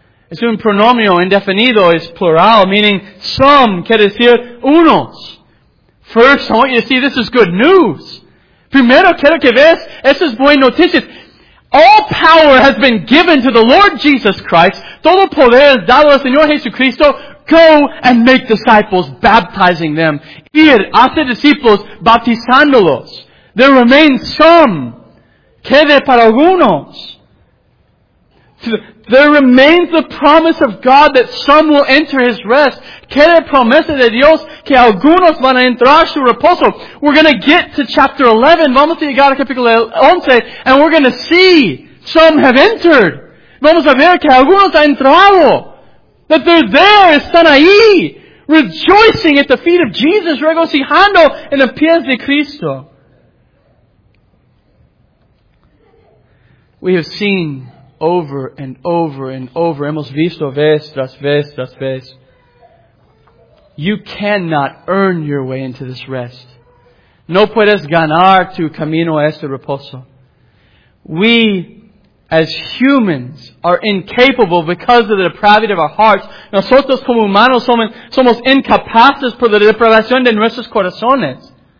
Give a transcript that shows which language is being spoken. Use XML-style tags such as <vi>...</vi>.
<es>Es un pronomio indefinido, es plural,</es> <en>meaning some,</en> <es>quiere decir unos.</es> <en>First, I want you to see this is good news.</en> <es>Primero, quiero que veas, esto es buena noticia.</es> <en>All power has been given to the Lord Jesus Christ.</en> <es>Todo poder es dado al Señor Jesucristo.</es> <en>Go and make disciples, baptizing them.</en> <es>Ir, hace discípulos, bautizándolos.</es> <en>There remains some.</en> <es>Quede para algunos.</es> <en>There remains the promise of God that some will enter His rest.</en> <es>Quede promesa de Dios que algunos van a entrar su reposo.</es> <en>We're going to get to chapter 11.</en> <es>Vamos a llegar a capítulo 11.</es> <en>And we're going to see some have entered.</en> <es>Vamos a ver que algunos han entrado.</es> <en>That they're there.</en> <es>Están ahí.</es> <en>Rejoicing at the feet of Jesus.</en> <es>Regocijando en los pies de Cristo.</es> <en>We have seen over and over and over,</en> <es>hemos visto vez tras vez,</es> <en>You cannot earn your way into this rest.</en> <es>No puedes ganar tu camino a este reposo.</es> <en>We, as humans, are incapable because of the depravity of our hearts.</en> <es>Nosotros como humanos somos incapaces por la depravación de nuestros corazones.</es>